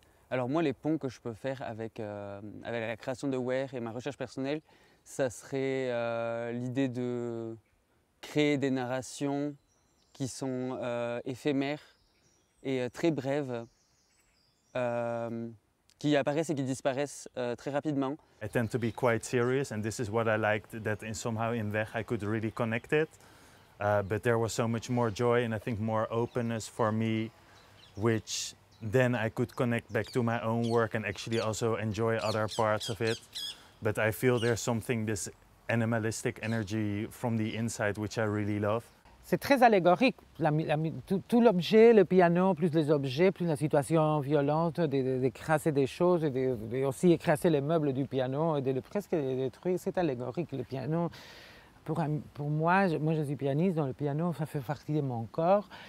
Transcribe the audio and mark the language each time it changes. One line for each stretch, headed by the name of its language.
French: Alors moi, les ponts que je peux faire avec la création de Wear et ma recherche personnelle, ça serait l'idée de créer des narrations qui sont éphémères et très brèves, qui apparaissent et qui disparaissent très rapidement.
English: I tend to be quite serious, and this is what I liked, that in somehow in Wear I could really connect it. But there was so much more joy and I think more openness for me, which then I could connect back to my own work and actually also enjoy other parts of it. But I feel there's something, this animalistic energy from the inside, which I really love.
French: C'est très allégorique, tout l'objet, le piano, plus les objets, plus la situation violente d'écraser des choses, et aussi écraser les meubles du piano, et de le presque détruire, c'est allégorique. Le piano pour moi, je suis pianiste, donc le piano, ça fait partie de mon corps.